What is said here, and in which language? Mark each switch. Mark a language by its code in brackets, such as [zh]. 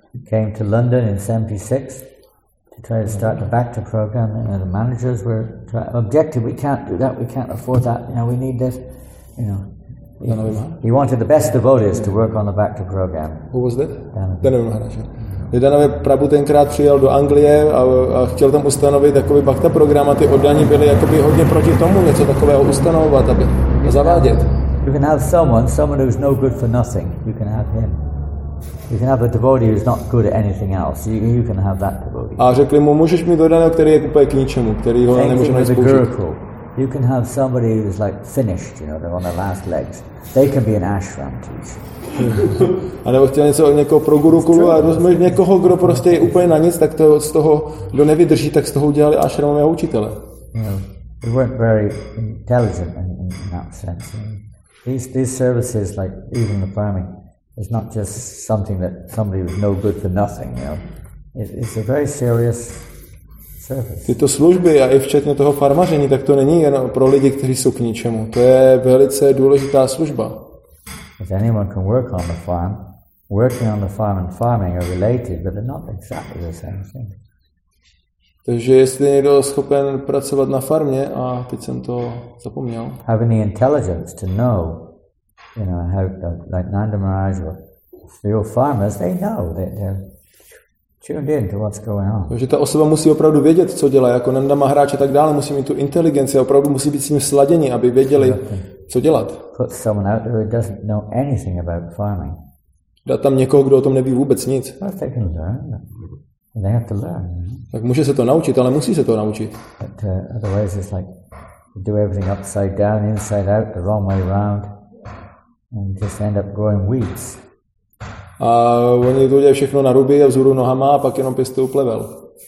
[en] Came to London in 76 to try to start the Bhakta program, and the managers were objected, we can't do that, we can't afford that, you know, we need this, you know. He wanted the best devotees to work on the Bhakta program. Who was that? Danavi Maharaj. [cs] Danavi Prabhu tenkrát přijel do Anglie a chtěl tam ustanovit takový Bhakta program, a ty oddaní byli jakoby hodně proti tomu něco takového ustanovovat, aby zavádět. [en] You can have someone who's no good for nothing, you can have him. You can have a devotee who's not good at anything else. You can have that devotee. [cs] A řekli mu, můžeš mít dodaného, který je úplně k ničemu, který ho nemůžeme zbožit. [en] You can have somebody who's like finished, you know, they're on their last legs. They can be an ashram teacher. [cs] A nebo chtěl něco od někoho pro gurukulu, a rozumíš, někoho, kdo prostě je úplně na nic, tak to z toho, kdo nevydrží, tak z toho udělali ashramového učitele. [en] We weren't very intelligent in that sense. These services, like even the farming, it's not just something that somebody was no good for nothing, you know. It's a very serious service. [cs] Tyto služby, a i včetně toho farmaření, tak to není jen pro lidi, kteří jsou k ničemu. To je velice důležitá služba. [en] If anyone can work on the farm, working on the farm and farming are related, but they're not exactly the same thing. [cs] Takže jestli někdo je schopen pracovat na farmě, a teď jsem to zapomněl. [en] Having the intelligence to know, you know, how like Nanda Maharaj or real farmers, they know that they're tuned in to what's going on. [cs] Takže ta osoba musí opravdu vědět, co dělá, jako Nanda Maharaj a tak dále, musí mít tu inteligenci, opravdu musí být s ním sladěni, aby věděli, co dělat. [en] Put someone out there who doesn't know anything about farming. [cs] Dát tam někoho, kdo o tom neví vůbec nic. [en] But they can learn. They have to learn. You know? [cs] Tak může se to naučit, ale musí se to naučit. [en] But otherwise it's like do everything upside down, inside out, the wrong way round. And just end up growing weeds. [cs] A oni to dělají všechno na ruby a vzhůru nohama a pak jenom pěstují plevel.